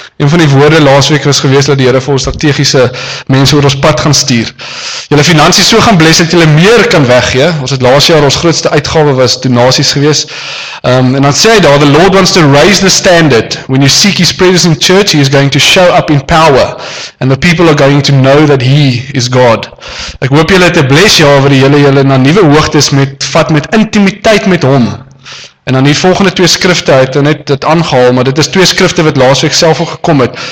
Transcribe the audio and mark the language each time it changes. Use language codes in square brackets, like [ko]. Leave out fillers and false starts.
[af] Een van die woorde laas week was geweest dat die Here vir ons strategiese mense oor ons pad gaan stuur. Julle finansies so gaan bless dat julle meer kan weggee. Ons het laas jaar ons grootste uitgawe was donasies geweest. En dan sê hy daar, [en] the Lord wants to raise the standard. When you seek his presence in church, he is going to show up in power. And the people are going to know that he is God. [af] Ek hoop julle het 'n bless jaar waar julle na nuwe hoogtes vat met intimiteit met hom. En dan die volgende twee skrifte, hy het net dit aangehaal, maar dit is twee skrifte wat laas week self al gekom het.